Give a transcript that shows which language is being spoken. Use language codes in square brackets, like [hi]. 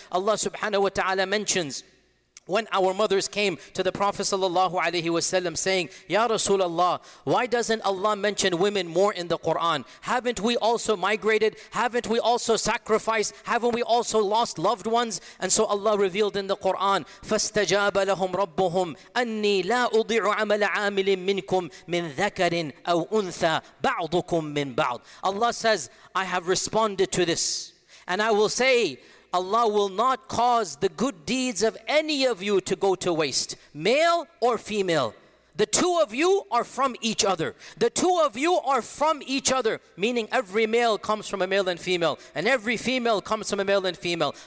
[en] Allah subhanahu wa ta'ala mentions when our mothers came to the Prophet sallallahu alaihi wasallam saying, [ar] Ya Rasulullah, [en] why doesn't Allah mention women more in the Quran? Haven't we also migrated? Haven't we also sacrificed? Haven't we also lost loved ones? And so Allah revealed in the Quran, [ar] فَاسْتَجَابَ لَهُمْ رَبُّهُمْ أَنِّي لَا أُضِعُ عَمَلَ عَامِلٍ مِّنْكُمْ مِّنْ ذَكَرٍ أَوْ أُنْثَى بَعْضُكُمْ مِّنْ بَعْضٍ. [en] Allah says, I have responded to this. And I will say, Allah will not cause the good deeds of any of you to go to waste, male or female. The two of you are from each other. The two of you are from each other, meaning every male comes from a male and female, and every female comes from a male and female.